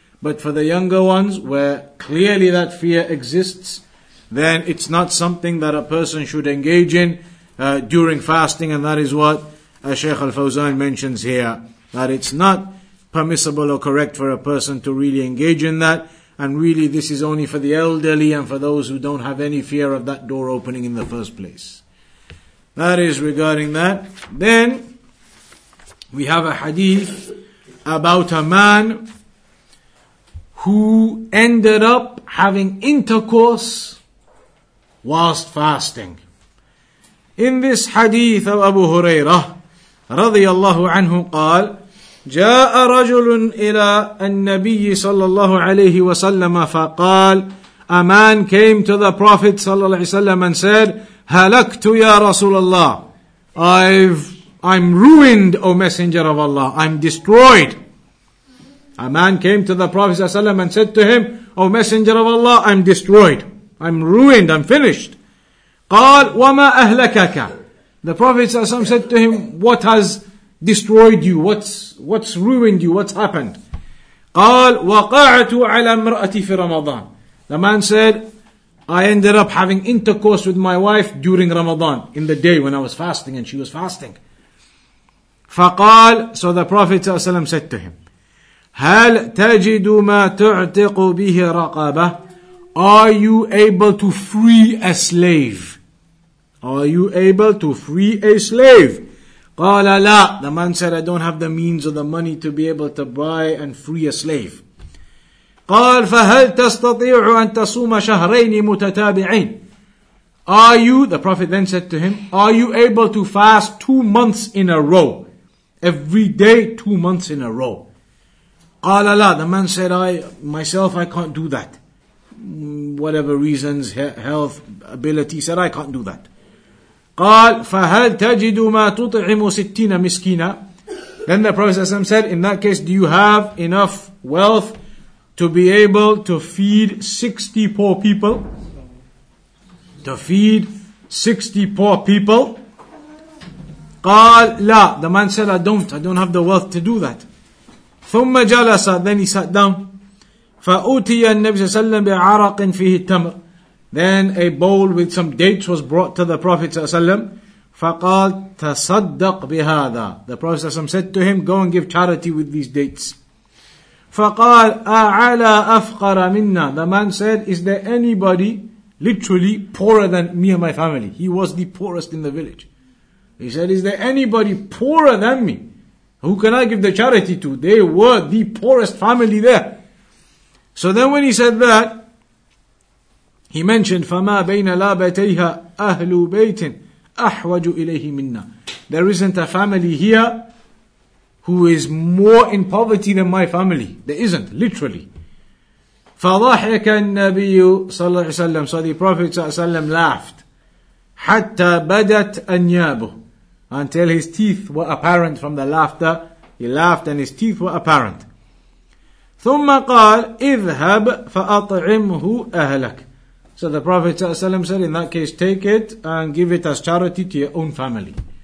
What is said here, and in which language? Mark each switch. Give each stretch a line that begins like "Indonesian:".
English: But for the younger ones, where clearly that fear exists, then it's not something that a person should engage in during fasting, and that is what Shaykh Al-Fawzan mentions here, that it's not permissible or correct for a person to really engage in that, and really this is only for the elderly and for those who don't have any fear of that door opening in the first place. That is regarding that. Then, we have a hadith about a man who ended up having intercourse whilst fasting. In this hadith of Abu Hurairah, radiyallahu anhu, قال,
Arabic: جاء رجل إلى النبي صلى الله عليه وسلم فقال,
English: a man came to the Prophet صلى الله عليه وسلم and said,
Arabic: هلكت يا رسول الله.
English: I'm ruined, O Messenger of Allah. I'm destroyed. A man came to the Prophet ﷺ and said to him, O Messenger of Allah, I'm destroyed. I'm ruined. I'm finished.
Arabic: قال وما أهلكك.
English: The Prophet ﷺ said to him, what has destroyed you? What's ruined you? What's happened?
Arabic: قال وقعت على امرأتي في رمضان.
English: The man said, I ended up having intercourse with my wife during Ramadan, in the day when I was fasting and she was fasting. فقال, so the Prophet ﷺ said to him,
Arabic: هل تجد ما تعتق به رقبة?
English: Are you able to free a slave? Are you able to free a slave?
Arabic: قال لا.
English: The man said, I don't have the means or the money to be able to buy and free a slave.
Arabic: قال فهل تستطيع أن تصوم شهرين متتابعين?
English: Are you, the Prophet then said to him, are you able to fast 2 months in a row? Every day, 2 months in a row.
Arabic: قال لا.
English: The man said, I can't do that. Whatever reasons, health, ability, said, I can't do that.
Arabic: قال فهل تجد ما تطعم ستين مسكينا?
English: Then the Prophet said, in that case, do you have enough wealth to be able to feed 60 poor people? To feed 60 poor people?
Arabic: قال لا.
English: The man said, I don't have the wealth to do that.
Arabic: ثم جلس.
English: Then he sat down.
Arabic: فأوتي النبي صلى الله عليه وسلم بعرق فيه التمر.
English: Then a bowl with some dates was brought to the Prophet صلى الله عليه وسلم.
Arabic: فقال تصدق بهذا.
English: The Prophet صلى الله عليه وسلم said to him, go and give charity with these dates.
Arabic: فقال أعلى أفقر منا.
English: The man said, is there anybody literally poorer than me and my family? He was the poorest in the village. He said, is there anybody poorer than me? Who can I give the charity to? They were the poorest family there. So then when he said that, he mentioned,
Arabic: فَمَا بَيْنَ لَابَتَيْهَا أَهْلُ بَيْتٍ أَحْوَجُ إِلَيْهِ مِنَّا.
English: There isn't a family here who is more in poverty than my family. There isn't, literally.
Arabic: فَضَحِكَ النَّبِيُّ صَلَّى اللَّهُ عَلَيْهِ وَسَلَّمُ.
English: So the Prophet
Arabic: صلى الله عليه وسلم
English: laughed.
Arabic: حَتَّى بَدَتْ أَنْيَابُهُ.
English: Until his teeth were apparent from the laughter. He laughed and his teeth were apparent.
Arabic: ثم قال اذهب فأطعمه أهلك.
English: So the Prophet ﷺ said, in that case, take it and give it as charity to your own family.